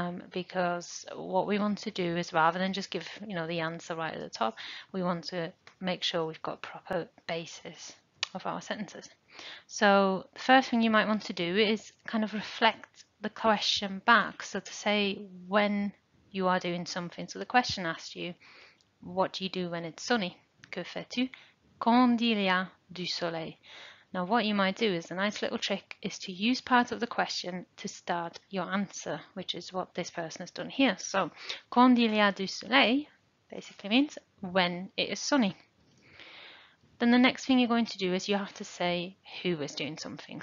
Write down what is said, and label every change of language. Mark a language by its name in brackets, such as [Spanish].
[English] Because what we want to do is rather than just give, the answer right at the top, we want to make sure we've got proper basis of our sentences. So the first thing you might want to do is kind of reflect the question back. So to say when you are doing something. So the question asked you, what do you do when it's sunny? [French] Que fais-tu quand il y a du soleil? [English] Now, what you might do is a nice little trick is to use part of the question to start your answer, which is what this person has done here. So, [French] quand il y a du soleil [English] basically means when it is sunny. Then the next thing you're going to do is you have to say who is doing something.